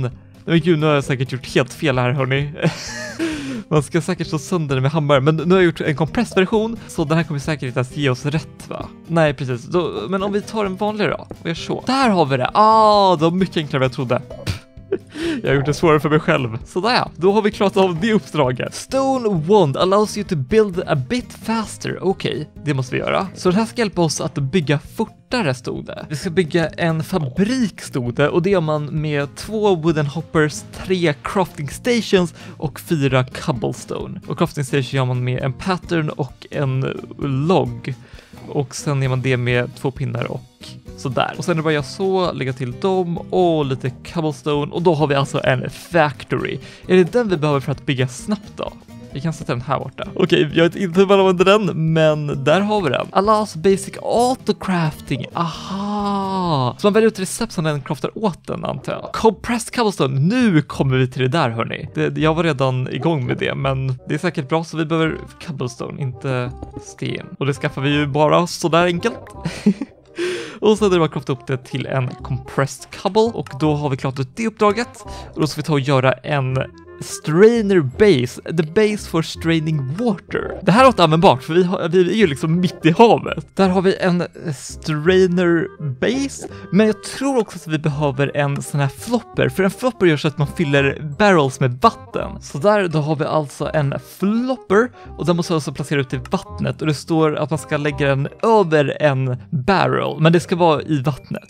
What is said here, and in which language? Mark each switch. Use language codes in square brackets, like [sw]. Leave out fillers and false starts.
[sv] Nej men gud, nu har jag säkert gjort helt fel här hörni. Man ska säkert slå sönder det med hammaren. Men nu har jag gjort en compressed version. Så den här kommer säkert att ge oss rätt, va? Nej, precis. Då, men om vi tar en vanlig då. Och gör så. Där har vi det. Ah, det var mycket enklare än jag trodde. Jag har gjort det svårare för mig själv. Sådär. Då har vi klarat av det uppdraget. [en] Stone wand allows you to build a bit faster. [sv] Okej, okay, det måste vi göra. Så det här ska hjälpa oss att bygga fortare stod det. Vi ska bygga en fabrik stod det. Och det gör man med 2 wooden hoppers, 3 crafting stations och 4 cobblestone. Och crafting station gör man med en pattern och en log. Och sen gör man det med 2 pinnar och sådär. Och sen är det bara jag så, lägga till dem och lite cobblestone. Och då har vi alltså en factory. Är det den vi behöver för att bygga snabbt då? Vi kan sätta den här borta. Okej, okay, jag vet inte hur man använder den, men där har vi den. [en] Allows basic autocrafting. [sv] Aha! Så man väljer ut recept som den craftar åt den, antar jag. [en] Compressed cobblestone. [sv] Nu kommer vi till det där, hörni. Jag var redan igång med det, men det är säkert bra. Så vi behöver cobblestone, inte sten. Och det skaffar vi ju bara sådär enkelt. Och sen är det bara kraftat upp det till en compressed cobble. Och då har vi klart ut det uppdraget. Och då ska vi ta och göra en [en] strainer base, the base for straining water. [sv] Det här låter användbart, för vi är ju liksom mitt i havet. Där har vi en strainer base, men jag tror också att vi behöver en sån här flopper, för en flopper gör så att man fyller barrels med vatten. Så där, då har vi alltså en flopper, och den måste alltså placera ut i vattnet, och det står att man ska lägga den över en barrel, men det ska vara i vattnet.